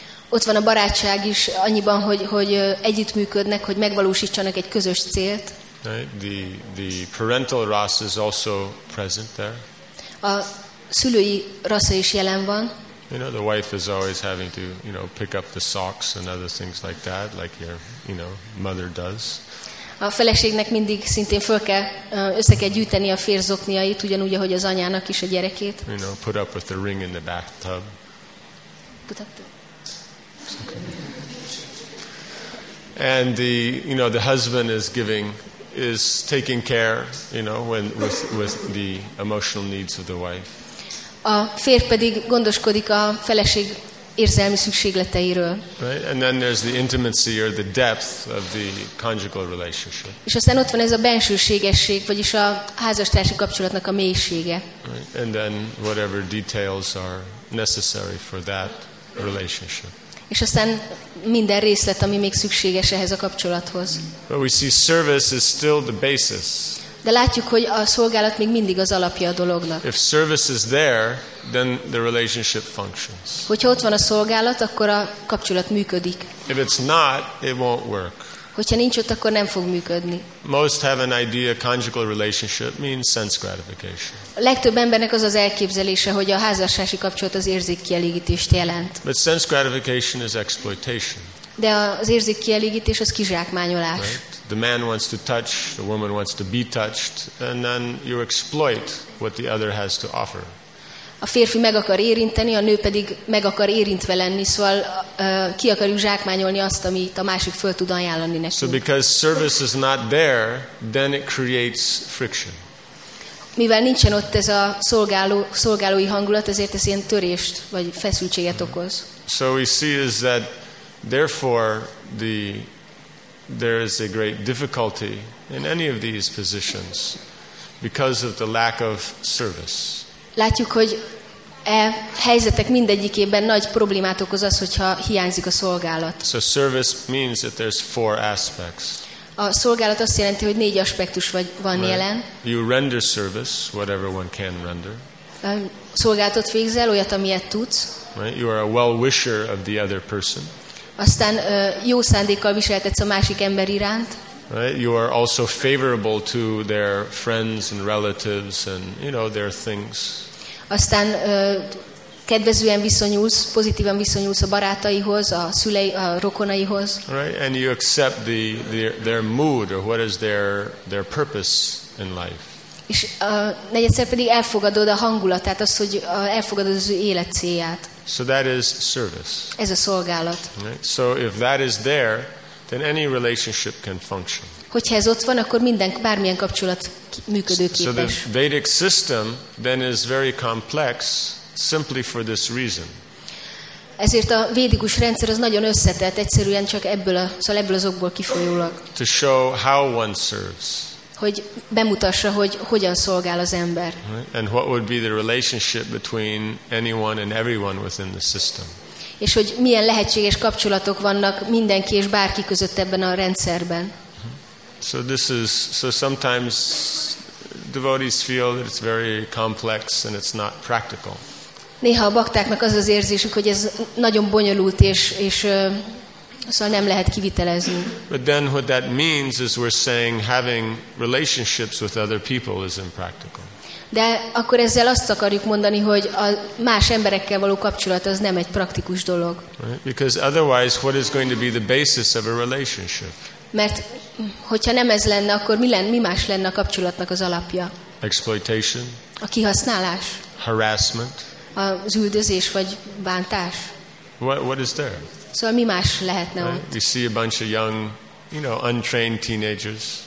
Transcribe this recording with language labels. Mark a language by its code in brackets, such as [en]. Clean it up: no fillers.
[hu] Ott van a barátság is annyiban, hogy együttműködnek, hogy megvalósítsanak egy közös célt. [en] The parental rasa is also present there. [hu] A szülői rasa is jelen van. [en] You know, the wife is always having to, you know, pick up the socks and other things like that, like your, you know, mother does. [hu] A feleségnek mindig szintén föl kell, össze kell gyűjteni a férzokniait, ugyanúgy, ahogy az anyának is a gyerekét. [en] You know, put up with the ring in the bathtub. Put up the... Okay. And the, you know, the husband is taking care, you know, with the emotional needs of the wife. [hu] A férj pedig gondoskodik a feleség érzelmi szükségleteiről. [en] Right? And then there's the intimacy or the depth of the conjugal relationship. [hu] És aztán ott van ez a bensőségesség, vagyis a házastársi kapcsolatnak a mélysége. [en] Right? And then whatever details are necessary for that relationship. [hu] És aztán minden részlet, ami még szükséges ehhez a kapcsolathoz. [en] But we see service is still the basis. [hu] De látjuk, hogy a szolgálat még mindig az alapja a dolognak. [en] If service is there, then the relationship functions. [hu] Hogyha ott van a szolgálat, akkor a kapcsolat működik. [en] If it's not, it won't work. [hu] Hogyha nincs ott, akkor nem fog működni. [en] Most have an idea conjugal relationship means sense gratification. [hu] A legtöbb embernek az az elképzelése, hogy a házassági kapcsolat az érzékkielégítést jelent. [en] But sense gratification is exploitation. [hu] De az érzékkielégítés az kizsákmányolás. [en] Right? The man wants to touch, the woman wants to be touched, and then you exploit what the other has to offer. [hu] A férfi meg akar érinteni, a nő pedig meg akar érintve lenni, szóval ki akarjuk zsákmányolni azt, amit a másik föl tud ajánlani nekünk. [en] So because service is not there, then it creates friction. [hu] Mivel nincsen ott ez a szolgálói hangulat, ezért ez ilyen törést vagy feszültséget okoz. [en] So we see is that therefore there is a great difficulty in any of these positions because of the lack of service. [hu] Látjuk, hogy e helyzetek mindegyikében nagy problémát okoz az, hogyha hiányzik a szolgálat. [en] So service means that there's four aspects. [hu] A szolgálat azt jelenti, hogy négy aspektus van jelen. [en] You render service, whatever one can render. [hu] Szolgálatot végzel, olyat, amilyet tudsz. [en] Right? You are a well-wisher of the other person. [hu] Aztán jó szándékkal viselkedsz a másik ember iránt. [en] Right? You are also favorable to their friends and relatives and, you know, their things. [hu] Aztán kedvezően viszonyulsz, pozitívan viszonyulsz a barátaihoz, a szülei, a rokonaihoz. [en] Right? And you accept their mood or what is their purpose in life. [hu] És negyedszer pedig elfogadod a hangulatát, azt, hogy elfogadod az ő élet célját. [en] So that is service. [hu] Ez a szolgálat. [en] Right? So if that is there, then any relationship can function. [hu] Hogyha ez ott van, akkor minden, bármilyen kapcsolat működőképes. [en] So the Vedic system then is very complex simply for this reason. [hu] Ezért a védikus rendszer az nagyon összetett, egyszerűen csak ebből az okból kifolyólag. [en] To show how one serves. [hu] Hogy bemutassa, hogy hogyan szolgál az ember. [en] And what would be the relationship between anyone and everyone within the system. [hu] És hogy milyen lehetséges kapcsolatok vannak mindenki és bárki között ebben a rendszerben. [en] So sometimes devotees feel that it's very complex and it's not practical. [hu] Néha a baktáknak az az érzésük, hogy ez nagyon bonyolult és szóval nem lehet kivitelezni. [en] But then what that means is we're saying having relationships with other people is impractical. [hu] De akkor ezzel azt akarjuk mondani, hogy a más emberekkel való kapcsolat az nem egy praktikus dolog. [en] Right? Because otherwise what is going to be the basis of a relationship? [hu] Mert hogyha nem ez lenne, akkor mi más lenne a kapcsolatnak az alapja? [en] Exploitation. [hu] A kihasználás. [en] Harassment. [hu] Az üldözés vagy bántás. [en] What is there? [hu] Szóval mi más lehetne ott? [en] Right? We see a bunch of young, you know, untrained teenagers.